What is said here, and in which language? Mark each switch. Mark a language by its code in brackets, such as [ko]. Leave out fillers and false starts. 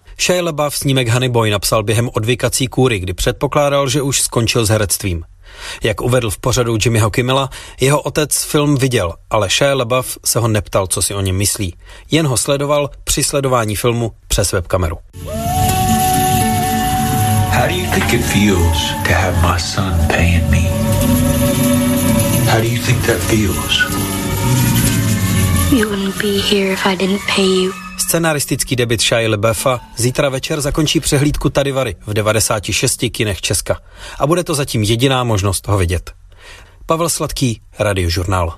[cs] Shia LaBeouf snímek Honey Boy napsal během odvykací kůry, kdy předpokládal, že už skončil s herectvím. Jak uvedl v pořadu Jimmyho Kimmela, jeho otec film viděl, ale Shia LaBeouf se ho neptal, co si o něm myslí. Jen ho sledoval při sledování filmu přes webkameru. [en] How do you think it feels to have my son paying me? How do you think that feels? You wouldn't be here if I didn't pay you. [cs] Scenaristický debut Shia LaBeoufa zítra večer zakončí přehlídku Tady Vary v 96 kinech Česka. A bude to zatím jediná možnost ho vidět. Pavel Sladký, Radiožurnál.